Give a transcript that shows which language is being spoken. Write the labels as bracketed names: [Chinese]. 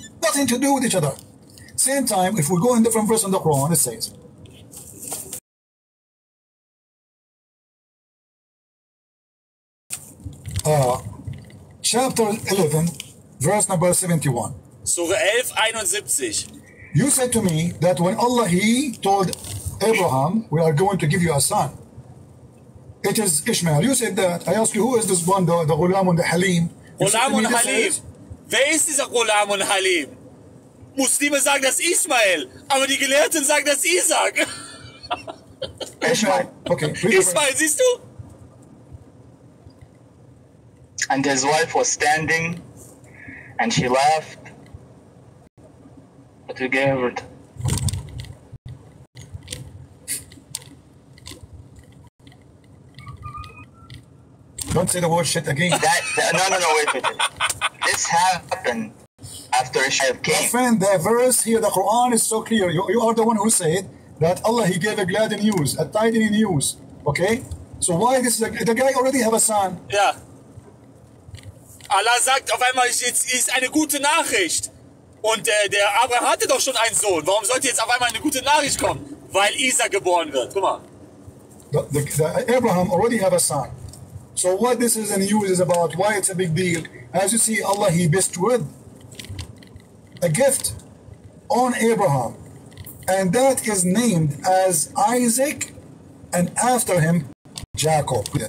[English] Nothing to do with each other. Same time, if we go in different verse in the Quran, it says, chapter 11, verse number 71. Surah 11, 71. You said to me that when Allah, he told Abraham, we are going to give you a son, it is Ishmael. You said that. I asked you, who is this one, the Ghulam and the Halim? Ghulam and Halim. Where is this Ghulam and Halim? [German] Muslime sagen, das ist Ismael, aber die Gelehrten sagen, das ist Isaac. [English] Ishmael, okay. [German] Ismael, siehst du? [English] And his wife was standing, and she laughed, but we gave her to. Don't say the word shit again. No, wait. This happened. After Ishmael came. My friend, the verse here, the Quran is so clear. You are the one who said that Allah, he gave a glad news, a tidy news. Okay? So why this is the guy already have a son? Yeah. [German] Allah sagt auf einmal, jetzt ist eine gute Nachricht. Und der Abraham hatte doch schon einen Sohn. Warum sollte jetzt auf einmal eine gute Nachricht kommen? Weil Isaac geboren wird. Guck mal. [English] The Abraham already have a son. So what this is a news is about, why it's a big deal. As you see, Allah, he bestowed a gift on Abraham, and that is named as Isaac, and after him, Jacob.